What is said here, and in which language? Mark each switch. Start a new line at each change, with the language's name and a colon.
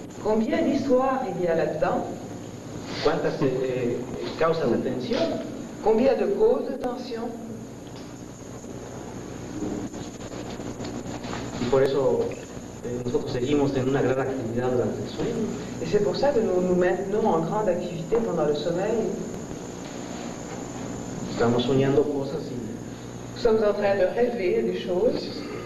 French: Combien d'histoires il y a là-dedans?
Spanish: ¿Cuántas causas de tension?
French: Combien de causes de tension?
Spanish: Y por eso, nosotros seguimos en una gran actividad durante el sueño.
French: Et c'est pour ça que nous nous maintenons en grande activité pendant le sommeil.
Spanish: Estamos soñando cosas y...
French: Nous sommes en train de rêver des choses.